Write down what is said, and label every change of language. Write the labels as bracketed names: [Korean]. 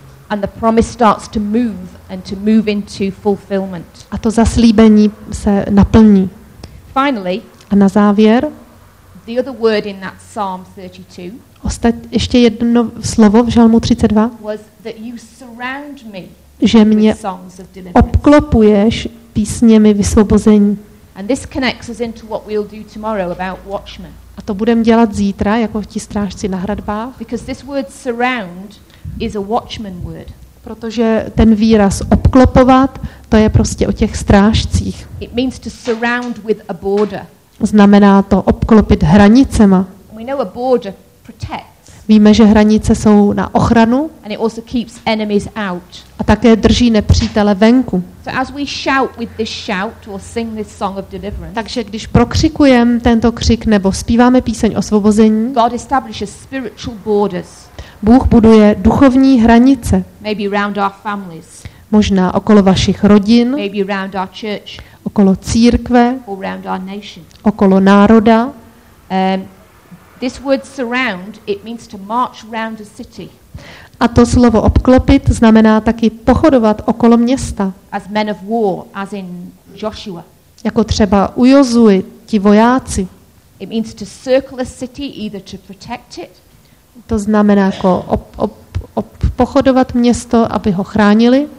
[English] And the promise starts to move and to move into fulfillment. [Czech] A to zaslíbení se naplní. [English] Finally, [Czech] a na závěr, [English] the other word in that Psalm 32. [Czech] Ještě jedno slovo v žalmu 32. [English] Was that you surround me, [Czech] že mě obklopuješ písněmi vysvobození. [English] And this connects us into what we'll do tomorrow about watchmen. [Czech] A to budeme dělat zítra, jako ti strážci na hradbách. [English] Because this word surround is a watchman word. [Czech] Protože ten výraz obklopovat, to je prostě o těch strážcích. [English] It means to surround with a border. [Czech] Znamená to obklopit hranicema. [English] We know a border protects. [Czech] Víme, že hranice jsou na ochranu. [English] And it also keeps enemies out. [Czech] A také drží nepřítele venku. [English] So as we shout with this shout or sing this song of deliverance. [Czech] Takže když prokřikujeme tento křik nebo zpíváme píseň osvobození. [English] God establishes spiritual borders. [Czech] Bůh buduje duchovní hranice. [English] Maybe around our families. [Czech] Možná okolo vašich rodin. [English] Maybe around our church. [Czech] Okolo církve. [English] Or around our nation. [Czech] Okolo národa. [English] This word surround, it means to march round a city. [Czech] A to slovo obklopit znamená taky pochodovat okolo města. [English] As men of war, as in Joshua. [Czech] Jako třeba u Jozui, ti vojáci. [English] It means to circle a city, either to protect it. [Czech] To znamená jako pochodovat město, aby ho chránili.